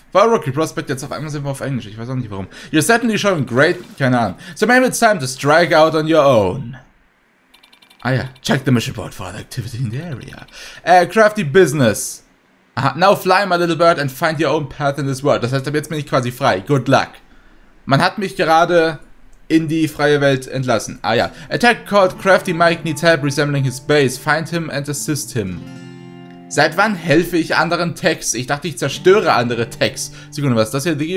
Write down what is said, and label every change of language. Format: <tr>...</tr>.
<de>For Rookie Prospect, jetzt auf einmal sind wir auf Englisch. Ich weiß auch nicht warum.</de> <en>You're certainly showing great...</en> <de>Keine Ahnung.</de> <en>So maybe it's time to strike out on your own. Ah ja, check the mission board for other activity in the area. Crafty business. Aha, now fly my little bird and find your own path in this world.</en> <de>Das heißt, jetzt bin ich quasi frei.</de> <en>Good luck.</en> <de>Man hat mich gerade in die freie Welt entlassen. Ah ja.</de> <en>Attack called Crafty Mike needs help resembling his base. Find him and assist him.</en> <de>Seit wann helfe ich anderen Techs? Ich dachte, ich zerstöre andere Techs. Sekunde, was ist das hier?</de>